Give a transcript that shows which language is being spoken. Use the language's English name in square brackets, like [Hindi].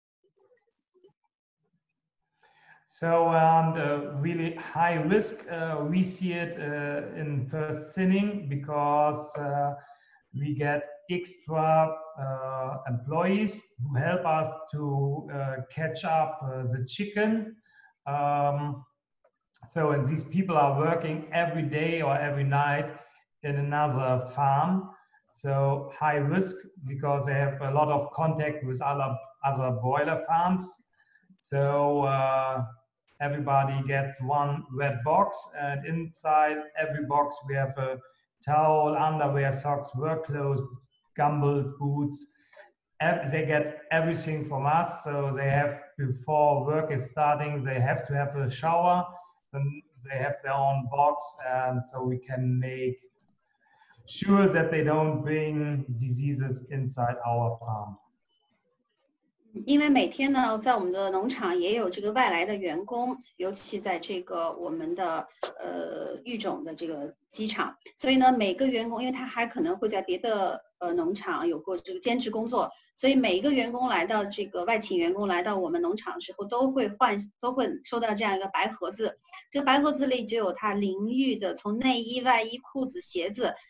[Chinese] 就是在这个不同的鸡舍之间，我们也是专用的这个畜舍的鞋和服装专用，以保证一旦在一个畜舍之内发生任何传染的话，不会影响到别的地方，也包括我们每一个畜舍和办公室之间有非常明确和清晰独立的卫生防疫系统。So [English] and really high risk, we see it in first thinning because we get extra employees who help us to catch up the chicken. So and these people are working every day or every night in another farm. So high risk because they have a lot of contact with other boiler farms. So everybody gets one red box, and inside every box we have a towel, underwear, socks, work clothes, gumballs, boots, they get everything from us. So they have, before work is starting, they have to have a shower, and they have their own box, and so we can make sure that they don't bring diseases inside our farm. [Chinese] 因为每天呢，在我们的农场也有这个外来的员工，尤其在这个我们的育种的这个机场，所以呢，每个员工，因为他还可能会在别的农场有过这个兼职工作，所以每一个员工来到这个外勤员工来到我们农场的时候，都会收到这样一个白盒子，这个白盒子里就有他淋浴的，从内衣、外衣、裤子、鞋子。